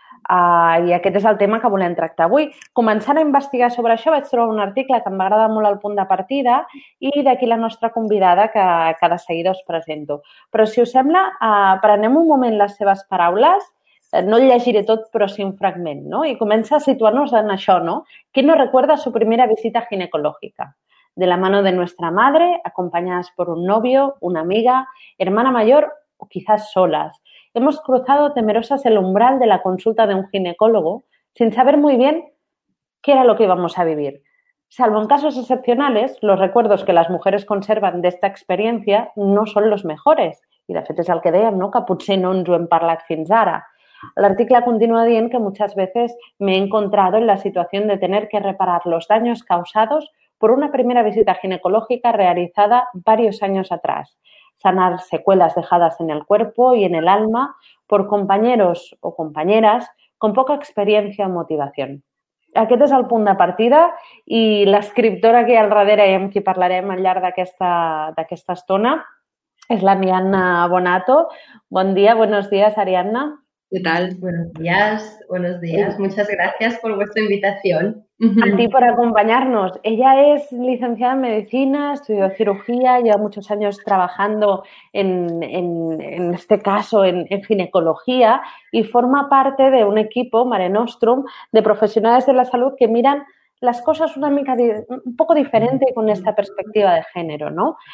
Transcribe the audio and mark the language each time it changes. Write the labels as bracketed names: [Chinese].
[Catalan] I aquest és el tema que volem tractar avui. Començant a investigar sobre això, vaig trobar un article que em va agradar molt al punt de partida i d'aquí la nostra convidada que de seguida us presento. Però si us sembla, prenem un moment les seves paraules, no el llegiré tot però sí un fragment, no? I comença a situar-nos en això, no? [Spanish] ¿Quién no recuerda su primera visita ginecológica? De la mano de nuestra madre, acompañadas por un novio, una amiga, hermana mayor o quizás solas. Hemos cruzado temerosas el umbral de la consulta de un ginecólogo sin saber muy bien qué era lo que íbamos a vivir. Salvo en casos excepcionales, los recuerdos que las mujeres conservan de esta experiencia no son los mejores. Y de hecho es [Catalan] el que dèiem, ¿no? Que potser no ens ho hem parlat fins ara. L'article continua dient que [Spanish] muchas veces me he encontrado en la situación de tener que reparar los daños causados por una primera visita ginecológica realizada varios años atrás. Sanar secuelas dejadas en el cuerpo y en el alma por compañeros o compañeras con poca experiencia o motivación. [Catalan] Aquest és el punt de partida i l'escriptora que hi ha al darrere i amb qui parlarem al llarg d'aquesta estona és la Arianna Bonato. Bon dia, [Spanish] buenos días, [Catalan] Arianna. [Spanish] ¿Qué tal? Buenos días, sí. Muchas gracias por vuestra invitación. A ti por acompañarnos. Ella es licenciada en medicina, estudió cirugía, lleva muchos años trabajando en este caso en ginecología y forma parte de un equipo, Mare Nostrum, de profesionales de la salud que miran las cosas un poco diferente con esta perspectiva de género, ¿no?